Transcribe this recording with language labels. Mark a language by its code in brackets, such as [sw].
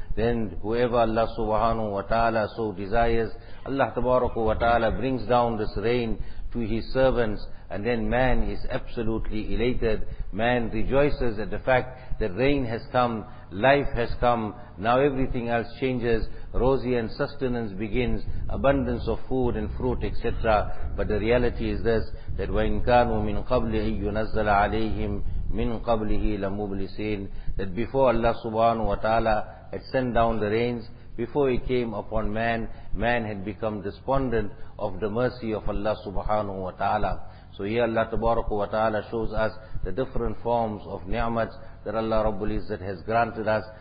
[en] Then whoever Allah subhanahu wa ta'ala so desires, Allah tabaraka wa ta'ala brings down this rain to his servants, and then man is absolutely elated. Man rejoices at the fact that rain has come, life has come, now everything else changes, rosy and sustenance begins, abundance of food and fruit, etc. But the reality is this, that [ar] وَإِنْ كَانُوا مِنْ قَبْلِهِ يُنَزَّلَ عَلَيْهِمْ مِنْ قَبْلِهِ لَمُبْلِسِينَ. [en] That before Allah subhanahu wa ta'ala had sent down the rains, before it came upon man, man had become despondent of the mercy of Allah subhanahu wa ta'ala. So here Allah tabaraka wa ta'ala shows us the different forms of ni'mat that Allah Rabbul Izzat has granted us.